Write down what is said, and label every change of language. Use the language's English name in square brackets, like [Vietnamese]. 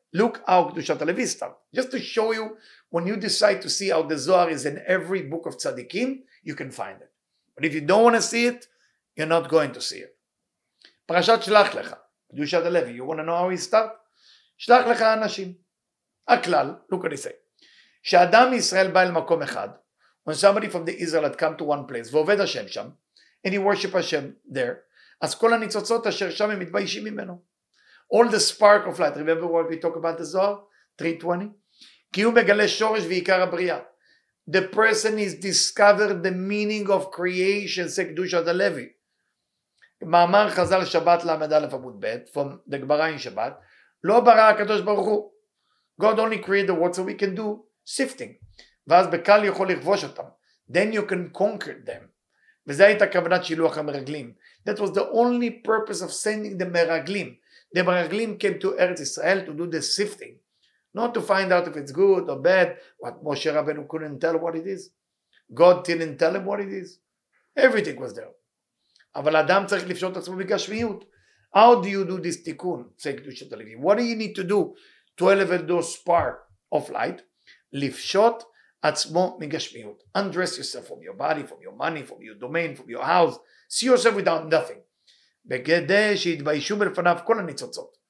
[English] Look how Kedushat Alevi starts. Just to show you, when you decide to see how the Zohar is in every book of Tzadikim, you can find it. But if you don't want to see it, you're not going to see it. Parashat Shlach Lecha, Kedushat Alevi, you want to know how we start? [Hebrew] שלח לך אנשים. הכלל, [English] look what he say. [Hebrew] שאדם מישראל בא אל מקום אחד, [English] when somebody from the Israel had come to one place, [Hebrew] ועובד השם שם, [English] and he worship Hashem there, [Hebrew] אז כל הניצוצות אשר שם הם מתביישים ממנו. [English] All the spark of light, remember what we talk about the Zohar? 320. [Hebrew] כי הוא מגלה שורש ועיקר הבריאה. [English] The person is discovered the meaning of creation, [Hebrew] זה קדושת הלוי. מאמר חזל שבת למד א' עמוד ב', [English] from the [Hebrew] גבריים שבת, לא ברא הקדוש ברוך הוא. [English] God only created the world so we can do sifting. [Hebrew] ואז בקל יכול לכבוש אותם. [English] Then you can conquer them. [Hebrew] וזה הייתה כוונת שילוח המרגלים. [English] That was the only purpose of sending the מרגלים. The מרגלים came to ארץ ישראל to do the sifting. Not to find out if it's good or bad. What Moshe Rabbeinu couldn't tell what it is. God didn't tell him what it is. Everything was there. [Hebrew] אבל אדם צריך לפשוט עצמו בגשמיות. [English] How do you do this tikkun? Say Kedushat Alevi. What do you need to do to elevate those spark of light? [Hebrew] Lifshot atzmo migashmiut. [English] Undress yourself from your body, from your money, from your domain, from your house. See yourself without nothing. [Hebrew] Begedeh sheitbayishu melfanav kol hanitzotzot.